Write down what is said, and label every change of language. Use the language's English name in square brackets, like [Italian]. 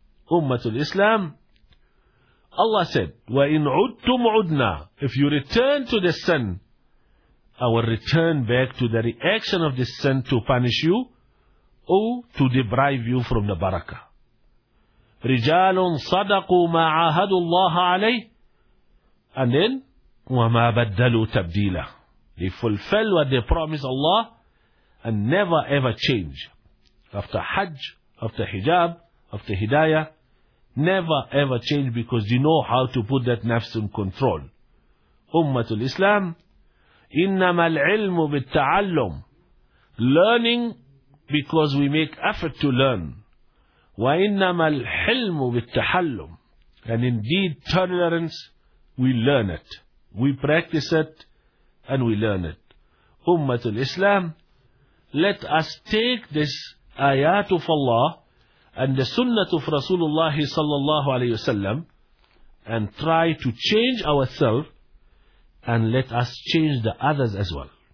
[English] Ummatul Islam, Allah said, [Arabic] وَإِنْ عُدْتُمْ عُدْنَا. [English] If you return to the sin, I will return back to the reaction of the sin to punish you or to deprive you from the barakah. [Arabic] رِجَالٌ صَدَقُوا مَا عَاهَدُوا اللَّهَ عَلَيْهِ. [English] And then, [Arabic] وَمَا بَدَّلُوا تَبْدِيلًا. [English] They fulfill what they promise Allah and never ever change. After Hajj, after Hijab, after Hidayah, never ever change, because you know how to put that nafs in control. [Arabic] Ummatul Islam, إِنَّمَا الْعِلْمُ بِالتَّعَلُّمُ. [English] learning because we make effort to learn. [Arabic] وإنما الحلم بالتحلم. [English] And indeed, tolerance, we learn it. We practice it and we learn it. Ummatul Islam, let us take this ayat of Allah and the sunnah of Rasulullah sallallahu alayhi wasallam and try to change ourselves, and let us change the others as well.